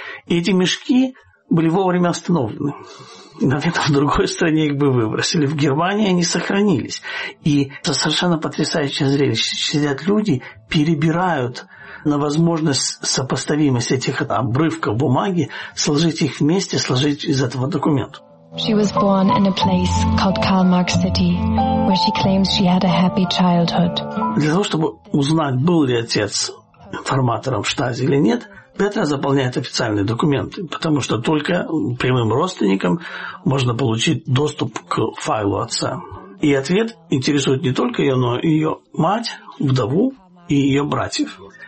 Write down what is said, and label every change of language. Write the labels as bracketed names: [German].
[Russian] И эти мешки были вовремя остановлены. Наверное, в другой стране их бы выбросили. В Германии они сохранились. И это совершенно потрясающее зрелище. Сидят люди, перебирают на возможность сопоставимость этих обрывков бумаги, сложить их вместе, сложить из этого документ. [English] She was born in a place called Karl Marx City, where she claims she had a happy childhood. [Russian] Для того, чтобы узнать, был ли отец информатором в Штази или нет, Петра заполняет официальные документы, потому что только прямым родственникам можно получить доступ к файлу отца. И ответ интересует не только ее, но и ее мать, вдову и ее братьев.